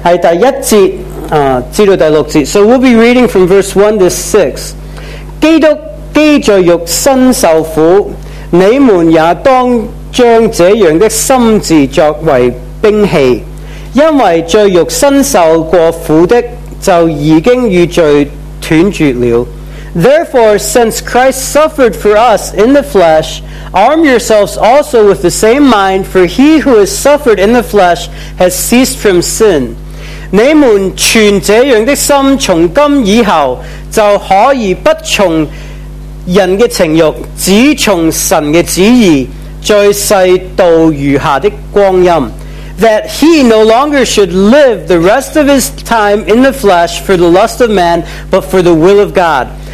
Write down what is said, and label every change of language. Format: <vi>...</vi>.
<zh>所以我们在这里就提到第一节至到第六节。</zh> <en>So we'll be reading from verse 1 to 6.</en> <zh>基督既在肉身受苦, 你们也当将这样的心智作为兵器。</zh> <en>Therefore, since Christ suffered for us in the flesh, arm yourselves also with the same mind, for he who has suffered in the flesh has ceased from sin.</en> <zh>你们存这样的心从今以后，就可以不从人的情欲，只从神的旨意，在世度余下的光阴。</zh> <en>That he no longer should live the rest of his time in the flesh for the lust of man, but for the will of God.</en>